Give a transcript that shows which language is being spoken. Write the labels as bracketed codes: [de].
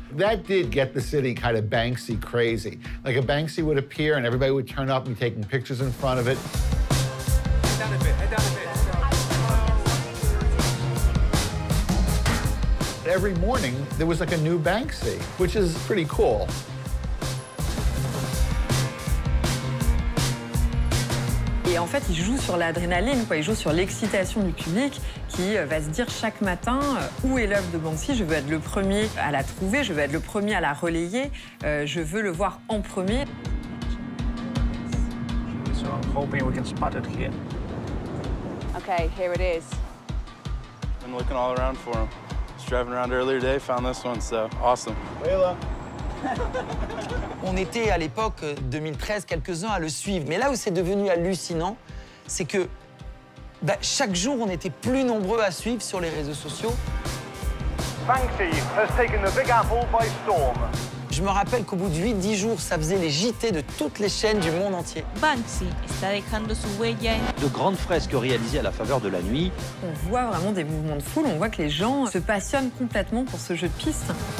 [en] That did get the city kind of Banksy crazy. Like a Banksy would appear and everybody would turn up and be taking pictures in front of it. Head down a bit, head down a bit. Every morning there was like a new Banksy, which is pretty cool. [fr] Et en fait, il joue sur l'adrénaline, quoi. Il joue sur l'excitation du public qui va se dire chaque matin où est l'œuvre de Banksy. Je veux être le premier à la trouver, je veux être le premier à la relayer, je veux le voir en premier. [en] So I'm hoping we can spot it here. Okay, here it is. Been looking all around for him. Just driving around earlier today, found this one, so awesome. Layla. [fr] On était à l'époque 2013 quelques-uns à le suivre, mais là où c'est devenu hallucinant, c'est que bah, chaque jour on était plus nombreux à suivre sur les réseaux sociaux. [en] Banksy has taken the Big Apple by storm. [fr] Je me rappelle qu'au bout de 8-10 jours, ça faisait les JT de toutes les chaînes du monde entier. [es] Banksy está dejando su huella. [fr] De grandes fresques réalisées à la faveur de la nuit. On voit vraiment des mouvements de foule, on voit que les gens se passionnent complètement pour ce jeu de piste.